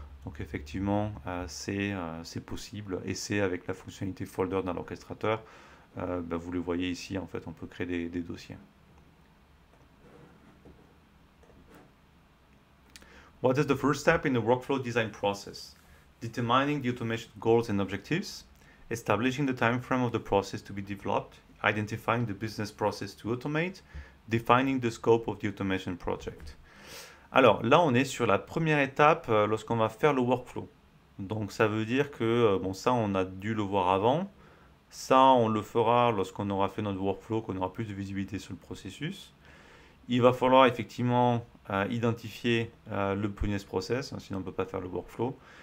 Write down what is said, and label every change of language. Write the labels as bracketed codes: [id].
[fr] Donc effectivement c'est possible et c'est avec la fonctionnalité folder dans l'orchestrateur. Vous le voyez ici, en fait on peut créer des dossiers. [en] What is the first step in the workflow design process? Determining the automation goals and objectives, establishing the time frame of the process to be developed, Identifying the business process to automate, defining the scope of the automation project. [fr] Alors là, on est sur la première étape lorsqu'on va faire le workflow. Donc ça veut dire que, bon, ça, on a dû le voir avant. Ça, on le fera lorsqu'on aura fait notre workflow, qu'on aura plus de visibilité sur le processus. Il va falloir effectivement identifier le business process, hein, sinon on ne peut pas faire le workflow.